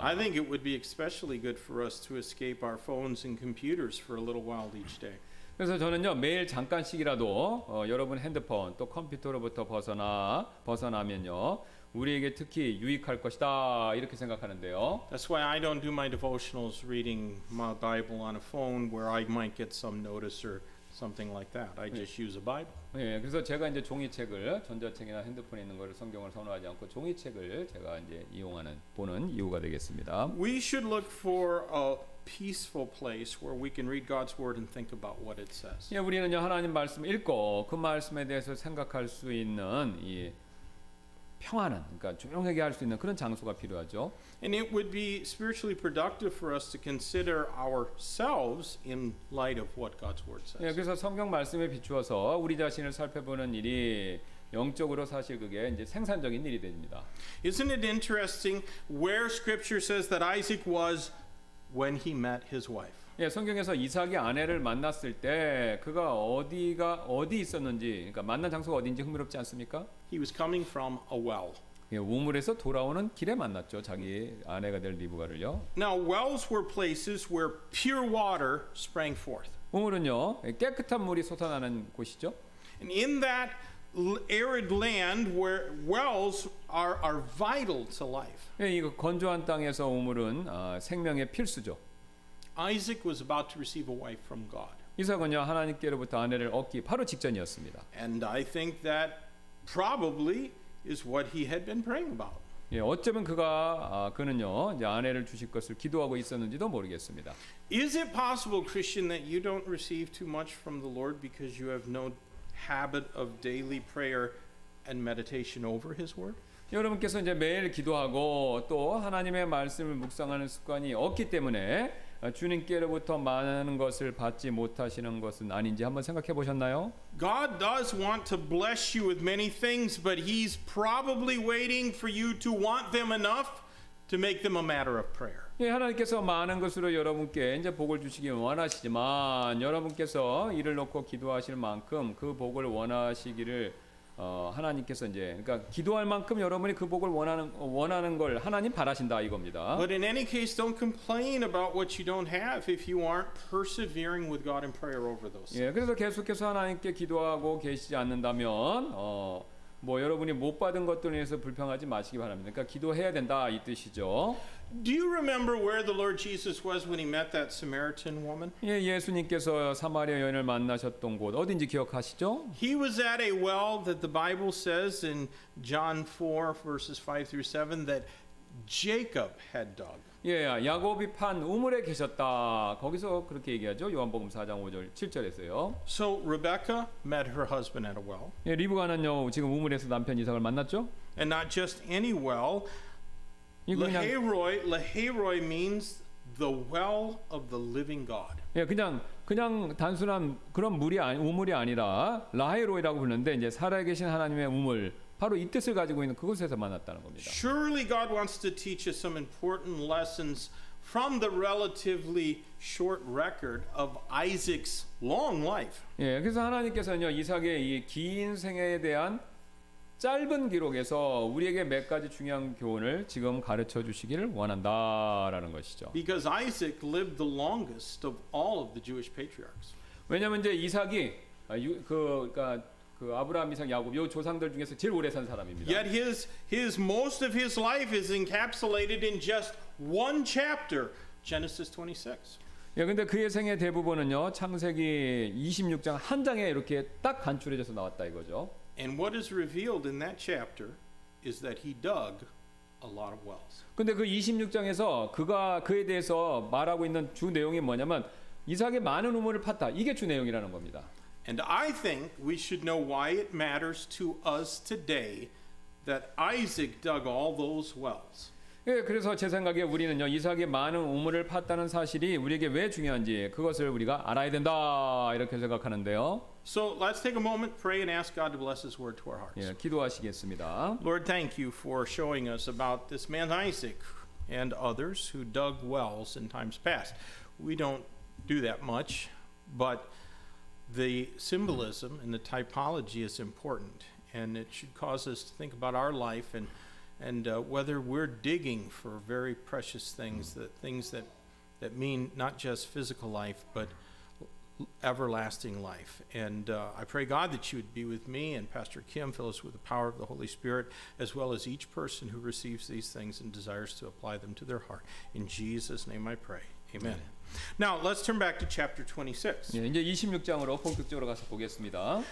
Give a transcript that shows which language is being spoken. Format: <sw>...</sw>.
<en>I think it would be especially good for us to escape our phones and computers for a little while each day.</en> <ko>그래서 저는요, 매일 잠깐씩이라도 여러분 핸드폰 또 컴퓨터로부터 벗어나면요. 우리에게 특히 유익할 것이다 이렇게 생각하는데요.</ko> <en>That's why I don't do my devotionals reading my Bible on a phone where I might get some notice or something like that. I just use a Bible.</en> <ko>예, 그래서 제가 이제 종이책을 전자책이나 핸드폰에 있는 것을 성경을 선호하지 않고 종이책을 제가 이제 보는 이유가 되겠습니다.</ko> <en>We should look for a peaceful place where we can read God's word and think about what it says.</en> <ko>예, 우리는요 하나님 말씀을 읽고 그 말씀에 대해서 생각할 수 있는 이 평안한 그러니까 조용하게 할 수 있는 그런 장소가 필요하죠.</ko> <en>And it would be spiritually productive for us to consider ourselves in light of what God's word says.</en> <ko>예, 그래서 성경 말씀에 비추어서 우리 자신을 살펴보는 일이 영적으로 사실 그게 이제 생산적인 일이 됩니다.</ko> <en>Isn't it interesting where scripture says that Isaac was when he met his wife?</en> <ko>예, 성경에서 이삭이 아내를 만났을 때 그가 어디 있었는지 그러니까 만난 장소가 어딘지 흥미롭지 않습니까?</ko> <en>He was coming from a well.</en> <ko>예, 우물에서 돌아오는 길에 만났죠. 자기 아내가 될 리브가를요.</ko> <en>Now wells were places where pure water sprang forth.</en> <ko>우물은요. 깨끗한 물이 솟아나는 곳이죠.</ko> <en>And in that arid land where wells are vital to life.</en> <ko>예, 이거 건조한 땅에서 우물은 생명의 필수죠.</ko> <en>Isaac was about to receive a wife from God.</en> <ko>이삭은요 하나님께로부터 아내를 얻기 바로 직전이었습니다.</ko> <en>And I think that probably is what he had been praying about.</en> <ko>예, 어쩌면 그는요 이제 아내를 주실 것을 기도하고 있었는지도 모르겠습니다.</ko> <en>Is it possible, Christian, that you don't receive too much from the Lord because you have no habit of daily prayer and meditation over His word?</en> <ko>여러분께서 이제 매일 기도하고 또 하나님의 말씀을 묵상하는 습관이 없기 때문에. 주님께로부터 많은 것을 받지 못하시는 것은 아닌지 한번 생각해 보셨나요?</ko> <en>God does want to bless you with many things, but He's probably waiting for you to want them enough to make them a matter of prayer.</en> <ko>예, 하나님께서 많은 것으로 여러분께 이제 복을 주시기 원하시지만 여러분께서 이를 놓고 기도하실 만큼 그 복을 원하시기를 하나님께서 이제 그러니까 기도할 만큼 여러분이 그 복을 원하는 걸 하나님 바라신다 이겁니다.</ko> <en>But in any case, don't complain about what you don't have if you aren't persevering with God in prayer over those.</en> <ko>예, 그래서 계속해서 하나님께 기도하고 계시지 않는다면 뭐 여러분이 못 받은 것들에 대해서 불평하지 마시기 바랍니다. 그러니까 기도해야 된다 이 뜻이죠.</ko> <en>Do you remember where the Lord Jesus was when he met that Samaritan woman?</en> <ko>예, 예수님께서 사마리아 여인을 만나셨던 곳 어딘지 기억하시죠?</ko> <en>He was at a well that the Bible says in John 4 verses 5 through 7 that Jacob had dug.</en> <ko>예, 야곱이 판 우물에 계셨다. 거기서 그렇게 얘기하죠. 요한복음 4장 5절 7절에서요.</ko> <en>So Rebecca met her husband at a well.</en> <ko>예, 리브가는요. 지금 우물에서 남편 이삭을 만났죠?</ko> <en>And not just any well. Lahairoi means the well of the living God.</en> <ko>예, 그냥 단순한 그런 물이 아니, 우물이 아니라 라헤로이라고 부르는데 이제 살아계신 하나님의 우물. 바로 이 뜻을 가지고 있는 그곳에서 만났다는 겁니다.</ko> <en>Surely God wants to teach us some important lessons from the relatively short record of Isaac's long life.</en> <ko>예, 그래서 하나님께서는요 이삭의 이 긴 생애에 대한 짧은 기록에서 우리에게 몇 가지 중요한 교훈을 지금 가르쳐 주시기를 원한다라는 것이죠.</ko> <en>Because Isaac lived the longest of all of the Jewish patriarchs.</en> <ko>왜냐하면 이제 이삭이 그 아브라함, 이삭, 야곱 요 조상들 중에서 제일 오래 산 사람입니다.</ko> <en>Yet his most of his life is encapsulated in just one chapter, Genesis 26.</en> <ko>예, 근데 그의 생애 대부분은요 창세기 26장 한 장에 이렇게 딱 간추려져서 나왔다 이거죠.</ko> <en>And what is revealed in that chapter is that he dug a lot of wells.</en> <ko>근데 그 26장에서 그가 그에 대해서 말하고 있는 주 내용이 뭐냐면 이삭이 많은 우물을 팠다. 이게 주 내용이라는 겁니다.</ko> <en>And I think we should know why it matters to us today that Isaac dug all those wells.</en> <ko>예, 그래서 제 생각에 우리는요 이삭이 많은 우물을 팠다는 사실이 우리에게 왜 중요한지 그것을 우리가 알아야 된다 이렇게 생각하는데요.</ko> <en>So let's take a moment, pray, and ask God to bless His word to our hearts.</en> <ko>예, 기도하시겠습니다.</ko> <en>Lord, thank you for showing us about this man Isaac and others who dug wells in times past. We don't do that much, but the symbolism and the typology is important, and it should cause us to think about our life and whether we're digging for very precious things, that things that mean not just physical life, but everlasting life. And I pray, God, that you would be with me and Pastor Kim, fill us with the power of the Holy Spirit, as well as each person who receives these things and desires to apply them to their heart. In Jesus' name I pray. Amen. Now, let's turn back to chapter 26.</en> <ko>예, 이제 26장으로 본격적으로 가서 보겠습니다.</ko>